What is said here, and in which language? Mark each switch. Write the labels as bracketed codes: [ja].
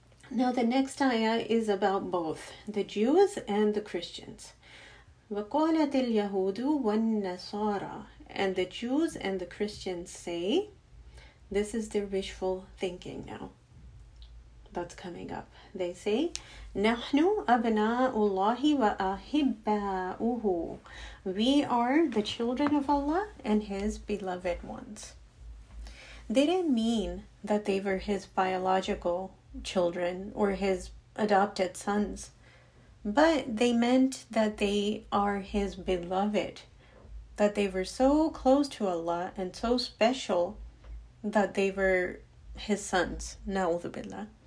[en] Now the next ayah is about both the Jews and the Christians. [ar] وَقَالَتِ الْيَهُودُ وَالنَّصَارَى. [en] And the Jews and the Christians say, this is their wishful thinking now. That's coming up. They say, [ar] نَحْنُ أَبْنَاءُ اللَّهِ وَأَحِبَّاءُهُ. [en] We are the children of Allah and his beloved ones. They didn't mean that they were his biological children or his adopted sons, but they meant that they are his beloved, that they were so close to Allah and so special that they were his sons. Na'udhu billah.